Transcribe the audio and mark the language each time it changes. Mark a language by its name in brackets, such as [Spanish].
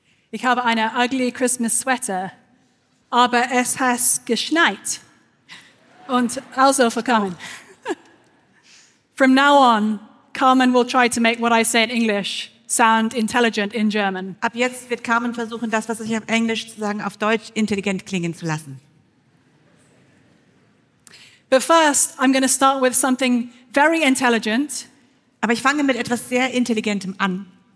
[German] Ich habe eine [English] ugly Christmas Sweater, [German] aber es hat geschneit. Und also für Carmen. [English] From now on, Carmen will try to make what I say in English sound intelligent in German. [German] Ab jetzt wird Carmen versuchen, das, was ich auf Englisch zu sagen, auf Deutsch intelligent klingen zu lassen. [English] But first, I'm going to start with something very intelligent. [German] Aber ich fange mit etwas sehr Intelligentem an.